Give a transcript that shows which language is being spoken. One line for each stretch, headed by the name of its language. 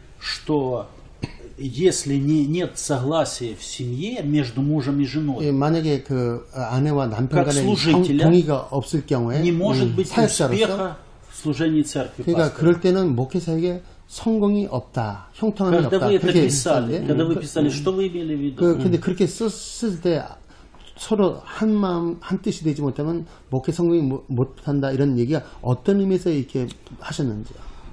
Russian: Что если нет согласия в семье между мужем и женой.
Korean: 만약에 그 아내와 남편 간에 동의가 없을 경우에
Russian: не может быть успеха в служении церкви.
Korean: 그러니까 그럴 때는 목회사에게 성공이 없다. 형통함이 없다.
Russian: Когда вы писали, что вы имели в виду?
Korean: 근데 그렇게 쓸 때 서로 한 마음 한 뜻이 되지 못하면 목회 성공이 못한다 이런 얘기가 어떤 의미에서 이렇게 하셨는지요?